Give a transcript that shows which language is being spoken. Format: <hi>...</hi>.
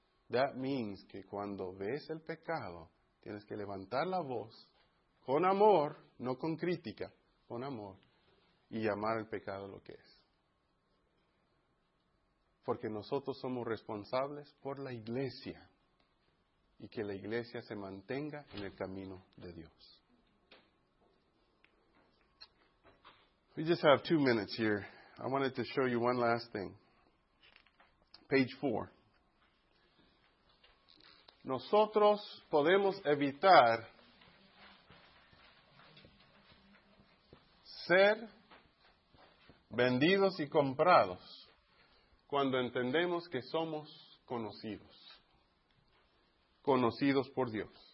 <en>That means</en> <es>que cuando ves el pecado, tienes que levantar la voz con amor, no con crítica, con amor, y llamar al pecado lo que es. Porque nosotros somos responsables por la iglesia y que la iglesia se mantenga en el camino de Dios.</es> <en>We just have 2 minutes here. I wanted to show you one last thing. Page 4.</en> <es>Nosotros podemos evitar ser vendidos y comprados cuando entendemos que somos conocidos, conocidos por Dios.</es>